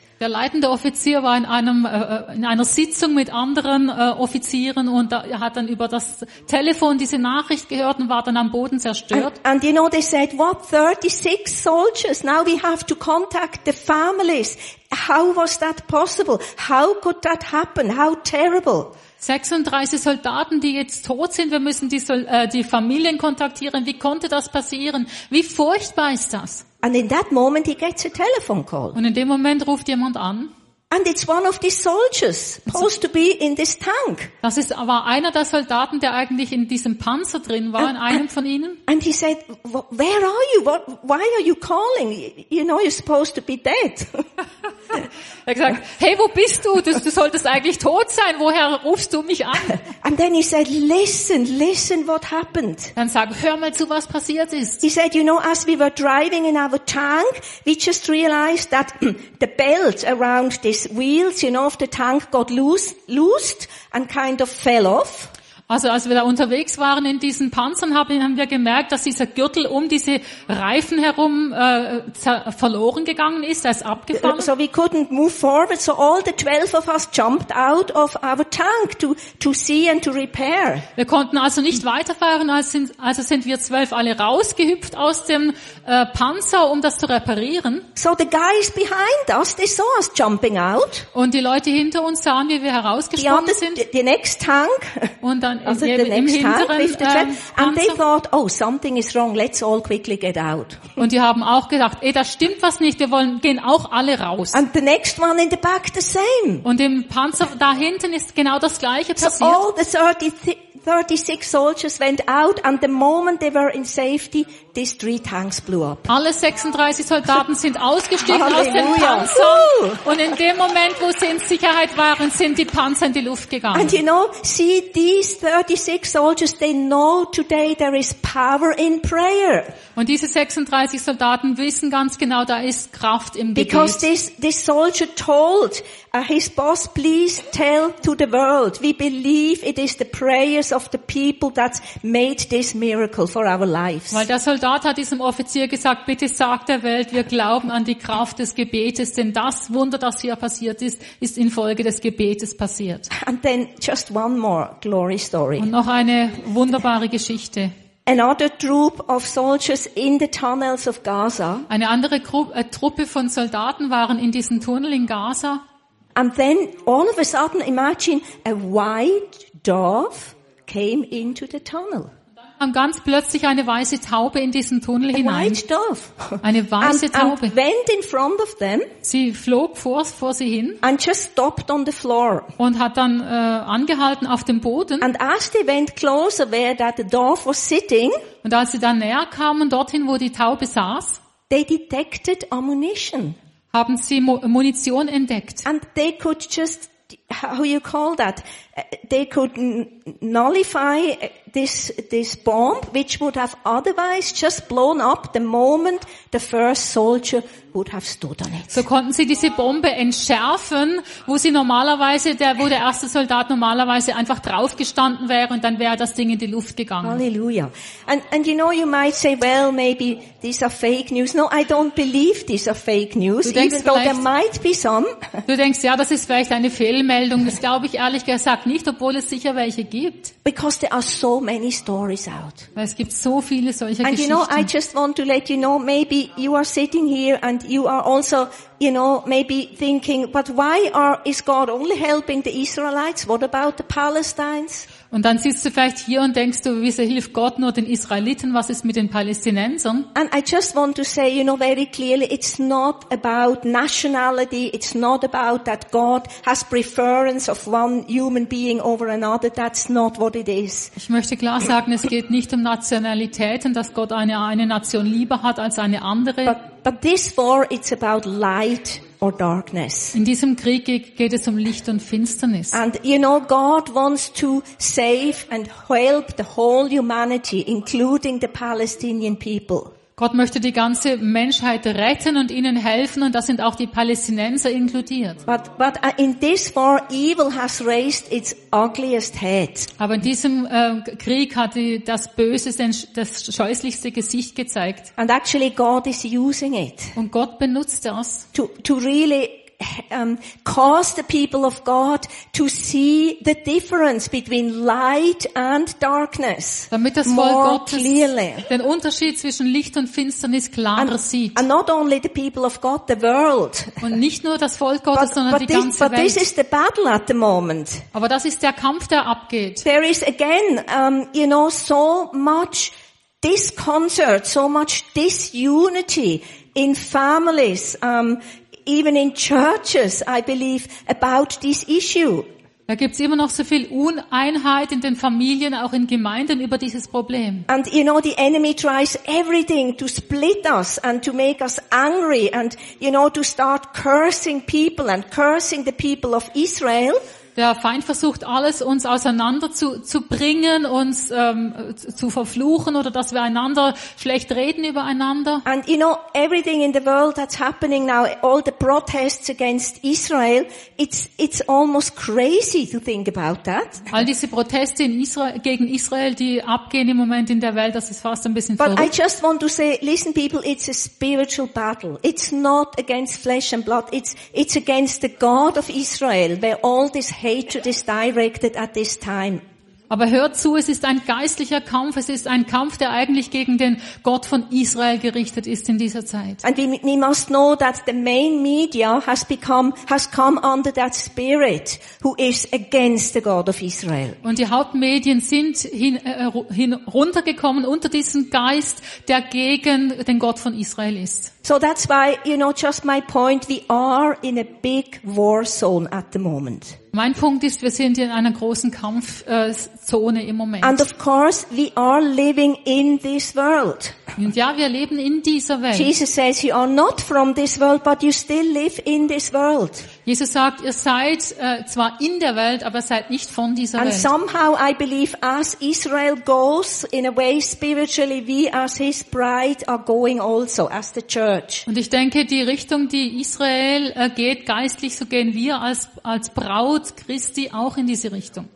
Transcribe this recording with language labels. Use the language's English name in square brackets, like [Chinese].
[German] Der leitende Offizier war in einer Sitzung mit anderen Offizieren und er hat dann über das Telefon diese Nachricht gehört und war dann am Boden zerstört. [English] And you know, they said, what, 36 soldiers? Now we have to contact the families. How was that possible? How could that happen? How terrible. [German] 36 Soldaten, die jetzt tot sind, wir müssen die Familien kontaktieren. Wie konnte das passieren? Wie furchtbar ist das? [English] And in that moment he gets a telephone call. [German] Und in dem Moment ruft jemand an. [English] And it's one of the soldiers supposed to be in this tank. [German] Das ist aber einer der Soldaten, der eigentlich in diesem Panzer drin war, in einem von ihnen. [English] And he said, "Where are you? Why are you calling? You know you're supposed to be dead." [German] Er gesagt, "Hey, wo bist du? Du solltest eigentlich tot sein. Woher rufst du mich an?" [English] And then he said, "Listen what happened." [German] Dann sagt, "Hör mal zu, was passiert ist." [English] He said, "You know, as we were driving in our tank, we just realized that the belt around this wheels, you know, of the tank got loosed and kind of fell off." [German] Also als wir da unterwegs waren in diesen Panzern, haben wir gemerkt, dass dieser Gürtel um diese Reifen herum verloren gegangen ist, er ist abgefallen. [English] So we couldn't move forward, so all the 12 of us jumped out of our tank to see and to repair. [German] Wir konnten also nicht weiterfahren, also sind wir 12 alle rausgehüpft aus dem Panzer, um das zu reparieren. [English] So the guys behind us, they saw us jumping out. [German] Und die Leute hinter uns sahen, wie wir herausgesprungen sind. [English] The next tank. [German] Und dann also [English] the next and they thought, "Oh, something is wrong. Let's all quickly get out." [German] Und die haben auch gedacht, da stimmt was nicht. Wir wollen gehen auch alle raus. [English] And the next one in the back the same. [German] Und im Panzer da hinten ist genau das gleiche passiert. [English] So all the 36 soldiers went out, and the moment they were in safety, these three tanks blew up. [German] Alle 36 Soldaten sind ausgestiegen aus dem Panzer. Und in dem Moment, wo sie in Sicherheit waren, sind die Panzer in die Luft gegangen. [English] And you know, see, these 36 soldiers, they know today there is power in prayer. [German] Und diese 36 Soldaten wissen ganz genau, da ist Kraft im Gebet. [English] Because this soldier told his boss, "Please tell to the world. We believe it is the prayers of the people that made this miracle for our lives." [German] Weil der Soldat hat diesem Offizier gesagt, bitte sag der Welt, wir glauben an die Kraft des Gebetes, denn das Wunder, das hier passiert ist, ist infolge des Gebetes passiert. [English] And then just one more glory story. [German] Und noch eine wunderbare Geschichte. [English] Another troop of soldiers in the tunnels of Gaza. [German] Eine andere Truppe von Soldaten waren in diesem Tunnel in Gaza. [English] And then all of a sudden, imagine, a white dove came into the tunnel. [German] Und ganz plötzlich eine weiße Taube in diesen Tunnel hinein. [English] A white dove. [German] Eine weiße Taube. [English] And went in front of them. [German] Sie flog vor sie hin. [English] And just stopped on the floor. [German] Und hat dann angehalten auf dem Boden. [English] And as they went closer where that dove was sitting. [German] Und als sie dann näher kamen dorthin, wo die Taube saß. [English] They detected ammunition. [German] Haben sie Munition entdeckt. [English] And they could just, how you call that? They could nullify this bomb, which would have otherwise just blown up the moment the first soldier would have stood on it. [German] So konnten sie diese Bombe entschärfen, wo der erste Soldat normalerweise einfach draufgestanden wäre und dann wäre das Ding in die Luft gegangen. Hallelujah. [English] And you know, you might say, well, maybe these are fake news. No, I don't believe these are fake news, even though there might be some. [German] Du denkst, ja, das ist vielleicht eine Fehlmeldung. Das glaube ich ehrlich gesagt nicht, obwohl es sicher welche gibt. [English] Because there are so many stories out. [German] Weil es gibt so viele solcher [English] and [German] Geschichten. [English] And you know, I just want to let you know, maybe you are sitting here and you are also, you know, maybe thinking, but why is God only helping the Israelites? What about the Palestinians? [German] Und dann sitzt du vielleicht hier und denkst du, wieso hilft Gott nur den Israeliten? Was ist mit den Palästinensern? [English] And I just want to say, you know, very clearly, it's not about nationality. It's not about that God has preference of one human being over another. That's not what it is. [German] Ich möchte klar sagen, es geht nicht um Nationalitäten, dass Gott eine Nation lieber hat als eine andere. [English] But this war, it's about light or darkness. [German] In diesem Krieg geht es um Licht und Finsternis. [English] And you know, God wants to save and help the whole humanity, including the Palestinian people. [German] Gott möchte die ganze Menschheit retten und ihnen helfen, und das sind auch die Palästinenser inkludiert. [English] But in this war, evil has raised its ugliest head. [German] Aber in diesem Krieg hat das Böse das scheußlichste Gesicht gezeigt. [English] And actually God is using it. [German] Und Gott benutzt das. [English] To really cause the people of God to see the difference between light and darkness. [German] Damit das Volk Gottes den Unterschied zwischen Licht und Finsternis klarer sieht. [English] And not only the people of God, the world. [German] Und nicht nur das Volk Gottes, sondern die ganze Welt. [English] But this is the battle at the moment. [German] Aber das ist der Kampf, der abgeht. [English] There is again, you know, so much disconcert, so much disunity in families, even in churches, I believe, about this issue. [German] Da gibt's immer noch so viel Uneinheit in den Familien, auch in Gemeinden über dieses Problem. [English] And you know, the enemy tries everything to split us and to make us angry and, you know, to start cursing people and cursing the people of Israel. [German] Der Feind versucht alles, uns auseinander zu bringen, uns zu verfluchen oder dass wir einander schlecht reden übereinander. [English] And you know, everything in the world that's happening now, all the protests against Israel, it's almost crazy to think about that. [German] All diese Proteste in Israel, gegen Israel, die abgehen im Moment in der Welt, das ist fast ein bisschen verrückt. [English] But I just want to say, listen people, it's a spiritual battle. It's not against flesh and blood. It's against the God of Israel, where all this hatred is directed at this time. [German] Aber hört zu, es ist ein geistlicher Kampf, es ist ein Kampf, der eigentlich gegen den Gott von Israel gerichtet ist in dieser Zeit. [English] And we must know that the main media has come under that spirit who is against the God of Israel. [German] Und die Hauptmedien sind hinuntergekommen unter diesen Geist, der gegen den Gott von Israel ist. [English] So that's why, you know, just my point, we are in a big war zone at the moment. [German] Mein Punkt ist, wir sind in einer großen Kampfzone im Moment. [English] And of course, we are living in this world. [German] Und ja, wir leben in dieser Welt. [English] Jesus says, you are not from this world, but you still live in this world. [German] Jesus sagt, ihr seid zwar in der Welt, aber seid nicht von dieser [English] and [German] Welt. [English] And somehow I believe as Israel goes in a way spiritually, we as his bride are going also as the church. [German] Und ich denke, die Richtung, die Israel geht, geistlich, so gehen wir als Braut Christi auch in diese Richtung.